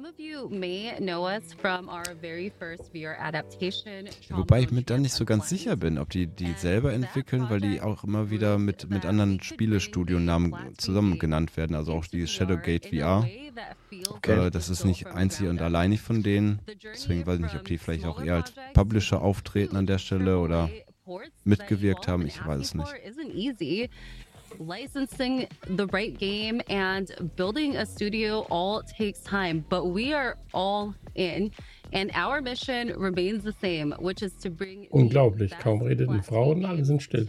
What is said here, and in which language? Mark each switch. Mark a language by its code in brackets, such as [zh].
[de] Wobei ich mir da nicht so ganz sicher bin, ob die die selber entwickeln, weil die auch immer wieder mit anderen Spielestudio-Namen zusammen genannt werden, also auch die Shadowgate VR. Okay. Das ist nicht einzig und alleinig von denen, deswegen weiß ich nicht, ob die vielleicht auch eher als Publisher auftreten an der Stelle oder mitgewirkt haben, ich weiß es nicht. [en] Licensing the right game and building a studio all takes time, but we are all in and our mission remains the same, which is to bring. [de] Unglaublich, kaum redet eine Frau und alle sind still.